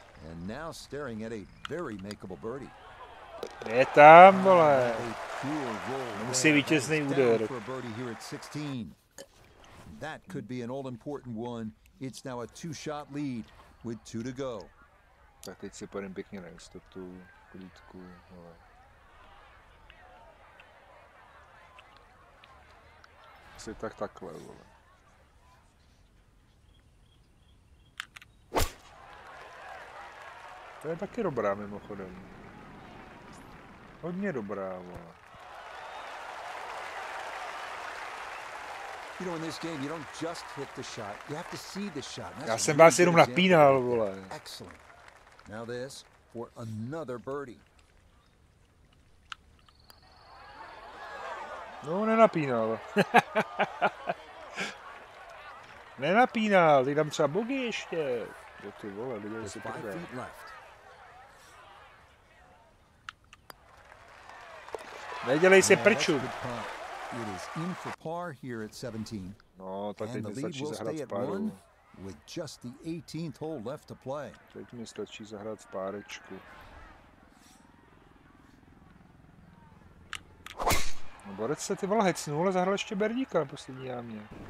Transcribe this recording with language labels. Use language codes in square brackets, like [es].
[en] And now staring at a very makeable birdie. [cs] Je tam, vole. Musí vítězný úder. [en] For a birdie here at 16. That could be an all important one. It's now a two shot lead with two to go. [cs] Tak teď si pojedem pěkně na jistotu, klidku, vole. Asi tak takhle, vole. To je taky dobrá, mimochodem. Hodně dobrá, vole. [en] You know, in this game, you don't just hit the shot, you have to see the shot. [cs] Já jsem vás jenom napínal, vole. [en] Excellent. Now this for another birdie. [cs] No, nenapínal. Nenapínal, teď dám třeba bogey ještě. Jo, ty vole, lidé si prvé. Nedělej si prču. [en] It is in for par here at 17. [cs] No, tak teď mi stačí zahrát v páru. [en] With just the 18th hole left to play. [cs] Teď mi stačí zahrát v párečku. No, Borec se ty vole hecnul, ale zahrál ještě berdíka na poslední jámě.